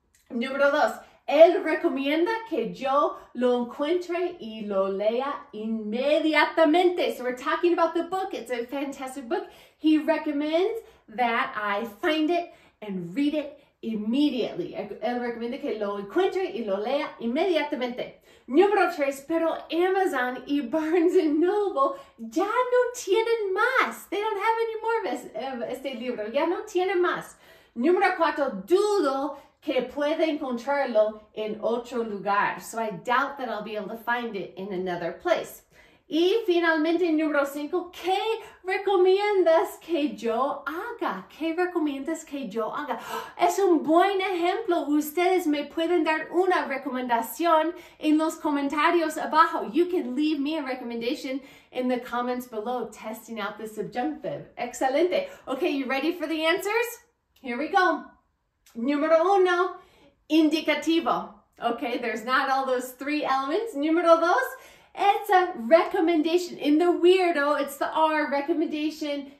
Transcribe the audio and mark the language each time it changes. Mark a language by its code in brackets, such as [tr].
[es] Número dos, él recomienda que yo lo encuentre y lo lea inmediatamente. [en] So we're talking about the book. It's a fantastic book. He recommends that I find it and read it immediately. [es] Él recomienda que lo encuentre y lo lea inmediatamente. Número tres, pero Amazon y Barnes & Noble ya no tienen más. [en] They don't have any more of [es] este libro. Ya no tienen más. Número cuatro, dudo que puede encontrarlo en otro lugar. [en] So I doubt that I'll be able to find it in another place. [es] Y finalmente, número cinco, ¿qué recomiendas que yo haga? ¿Qué recomiendas que yo haga? Es un buen ejemplo. Ustedes me pueden dar una recomendación en los comentarios abajo. [en] You can leave me a recommendation in the comments below, testing out the subjunctive. Excelente. Okay, you ready for the answers? Here we go. [es] Número uno, indicativo. [en] Okay, there's not all those three elements. [es] Número dos, [en] It's a recommendation. In the weirdo, it's the R, recommendation.